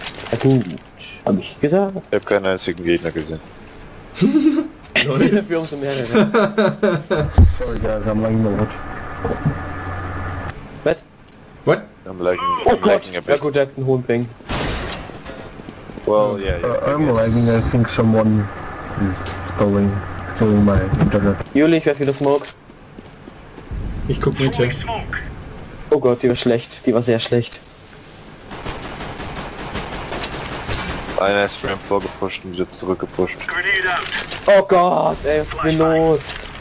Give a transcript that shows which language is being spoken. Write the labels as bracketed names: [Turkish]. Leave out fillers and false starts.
[German] Na gut, hab ich gesagt. Ich hab keinen einzigen Gegner gesehen. Leute, dafür umso mehr. Oh ja, wir haben lange noch was. [English] What? What? [German] Oh Gott, ja gut, der hat einen hohen Ping. [English] Well, yeah, yeah, I'm lagging, I think someone is stealing my internet. [German] Juli, ich werde wieder Smoke. Ich guck mit hier. Oh Gott, die war schlecht. Die war sehr schlecht. Einer ist Ramp vorgepusht und wird zurückgepusht. Oh Gott, ey, was ist denn los?